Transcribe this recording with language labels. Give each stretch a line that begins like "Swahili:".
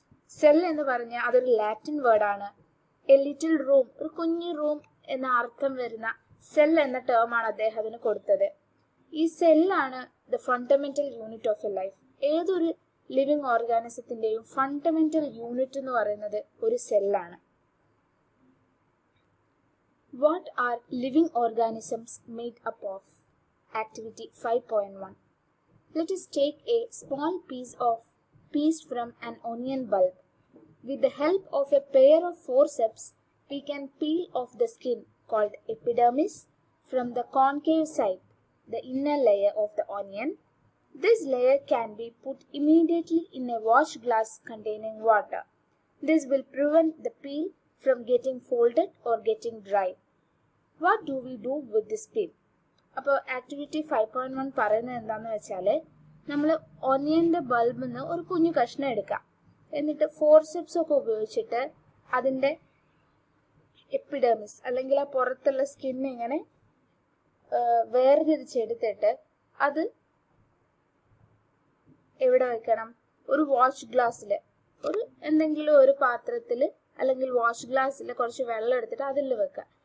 Malayalam: Cell എന്ന് പറഞ്ഞാൽ അതൊരു ലാറ്റിൻ വേർഡാണ്.
English: a little room,
Malayalam: ഒരു കുഞ്ഞു റൂം എന്ന അർത്ഥം വരുന്ന സെൽ എന്ന ടേമാണ് അദ്ദേഹം അതിന് കൊടുത്തത്. ഈ സെല്ലാണ്
English: The fundamental unit of a life.
Malayalam: ഏതൊരു ലിവിങ് ഓർഗാനിസത്തിൻ്റെയും ഫണ്ടമെന്റൽ യൂണിറ്റ് എന്ന് പറയുന്നത് ഒരു സെല്ലാണ്.
English: What are living organisms made up of? Activity 5.1. Let us take a small piece from an onion bulb. With the help of a pair of forceps, we can peel off the skin called epidermis from the concave side, the inner layer of the onion. This layer can be put immediately in a wash glass containing water. This will prevent the peel from getting folded or getting dry. What do we do with this peel?
Malayalam: അപ്പോൾ activity 5.1 പറയുന്നത് എന്താണെന്ന് വെച്ചാൽ, നമ്മൾ ഒനിയൻ്റെ ബൾബിൽ നിന്ന് ഒരു കുഞ്ഞു കഷ്ണം എടുക്കുക, എന്നിട്ട് ഫോർസെപ്സ് ഒക്കെ ഉപയോഗിച്ചിട്ട് അതിൻ്റെ എപ്പിഡെമിസ് അല്ലെങ്കിൽ ആ പുറത്തുള്ള സ്കിൻ ഇങ്ങനെ വേർതിരിച്ചെടുത്തിട്ട് അത് എവിടെ വെക്കണം, ഒരു വാഷ് ഗ്ലാസ്സിൽ, ഒരു എന്തെങ്കിലും ഒരു പാത്രത്തിൽ അല്ലെങ്കിൽ വാഷ് ഗ്ലാസ്സിൽ കുറച്ച് വെള്ളം എടുത്തിട്ട് അതിൽ വെക്കുക.